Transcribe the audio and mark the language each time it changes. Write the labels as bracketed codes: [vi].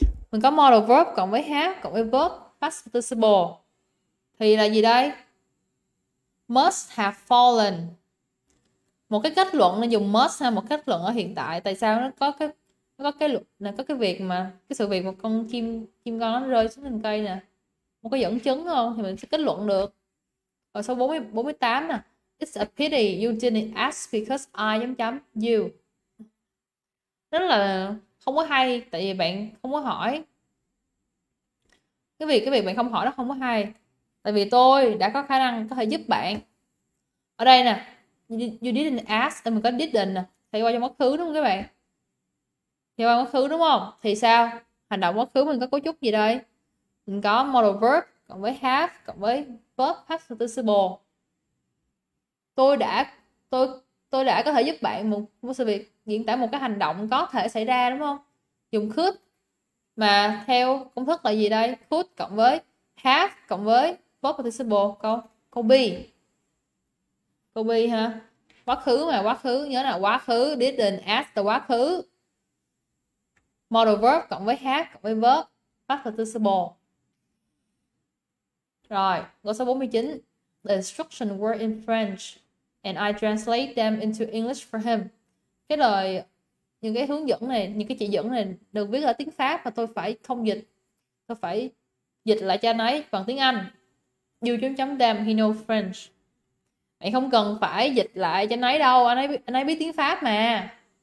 [vi] Mình có modal verb cộng với have cộng với verb past participle thì là gì đây? [en] Must have fallen. [vi] Một cái kết luận là dùng must ha, một kết luận ở hiện tại. Tại sao nó có cái luận là có cái việc mà cái sự việc một con chim chim con nó rơi xuống thành cây nè, một cái dẫn chứng không thì mình sẽ kết luận được. Rồi số 48 nè, [en] it's a pity you didn't ask because I [vi] chấm chấm [en] you. [vi] Rất là không có hay tại vì bạn không có hỏi cái việc bạn không hỏi nó không có hay tại vì tôi đã có khả năng có thể giúp bạn ở đây nè, [en] you didn't ask [vi] thì mình có didn't nè, thay qua cho quá khứ đúng không các bạn, thay qua quá khứ đúng không thì sao, hành động quá khứ mình có cấu trúc gì đây, mình có modal verb cộng với have cộng với verb past participle. Tôi đã có thể giúp bạn một sự việc, diễn tả một cái hành động có thể xảy ra đúng không? Dùng could mà theo công thức là gì đây? Could cộng với have cộng với verb participle câu câu be. Câu be ha. Quá khứ mà, quá khứ nhớ là quá khứ, [en] didn't ask the [vi] quá khứ. Modal verb cộng với have cộng với verb participle. Rồi, câu số 49. [en] The instructions were in French. And I translate them into English for him. [vi] Cái lời, những cái hướng dẫn này, những cái chỉ dẫn này được viết ở tiếng Pháp và tôi phải thông dịch. Tôi phải dịch lại cho anh ấy bằng tiếng Anh. [en] You chấm chấm them, he know French. [vi] Mày không cần phải dịch lại cho anh ấy đâu, anh ấy biết tiếng Pháp mà.